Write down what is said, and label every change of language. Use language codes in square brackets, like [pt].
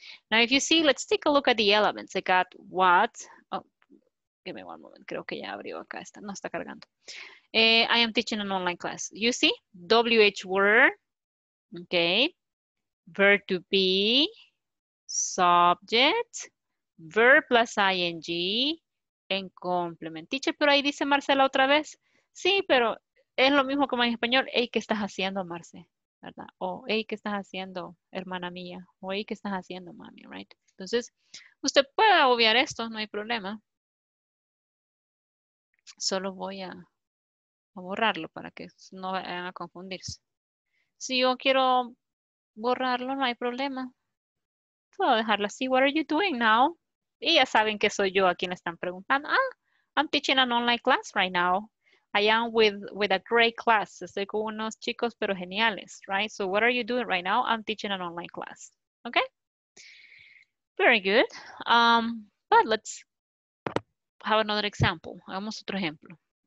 [en] Now, if you see, let's take a look at the elements. I got what? Oh, give me one moment. [es] Creo que ya abrió acá. No está cargando. [en] I am teaching an online class. You see, WH word, okay, verb to be, subject, verb plus ing, and complement. [es] Teacher, pero ahí dice Marcela otra vez. Sí, pero es lo mismo como en español. Hey, ¿qué estás haciendo, Marce? ¿Verdad? O hey, ¿qué estás haciendo, hermana mía? O hey, ¿qué estás haciendo, mami? Right? Entonces, usted puede obviar esto, no hay problema. Solo voy a borrarlo para que no vayan a confundirse. Si yo quiero borrarlo, no hay problema. Puedo dejarlo así. [en] What are you doing now? [es] Y ya saben que soy yo a quien están preguntando. [en] Ah, I'm teaching an online class right now. I am with a great class. [es] Estoy con unos chicos, pero geniales, [en] right? So what are you doing right now? I'm teaching an online class, okay? Very good. But let's have another example. [es] Hagamos otro ejemplo.